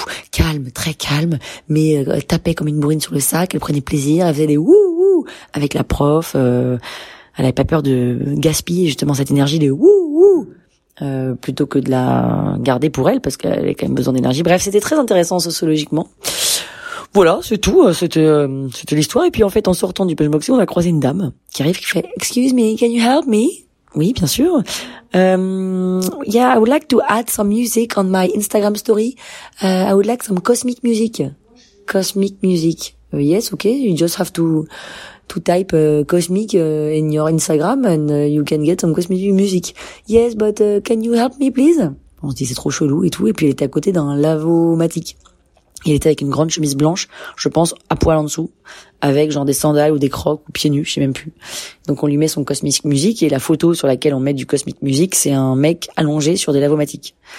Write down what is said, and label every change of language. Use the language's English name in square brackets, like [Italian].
[French] Calme, très calme, mais elle tapait comme une bourrine sur le sac, elle prenait plaisir, elle faisait des wouh wouh avec la prof, elle avait pas peur de gaspiller justement cette énergie de wouh wouh, plutôt que de la garder pour elle, parce qu'elle avait quand même besoin d'énergie. Bref, c'était très intéressant sociologiquement. Voilà, c'est tout, c'était l'histoire. Et puis en fait, en sortant du punch boxing, on a croisé une dame qui arrive, qui fait « Excuse me, can you help me ?» Oui, bien sûr. [English] Yeah, I would like to add some music on my Instagram story. I would like some cosmic music. Cosmic music. Yes, okay. You just have to type cosmic in your Instagram and you can get some cosmic music. Yes, but can you help me please? [French] On se dit c'est trop chelou et tout. Et puis elle était à côté d'un lavomatique. Il était avec une grande chemise blanche, je pense, à poil en dessous, avec genre des sandales ou des crocs ou pieds nus, je sais même plus. Donc on lui met son cosmic music et la photo sur laquelle on met du cosmic music, c'est un mec allongé sur des lavomatiques.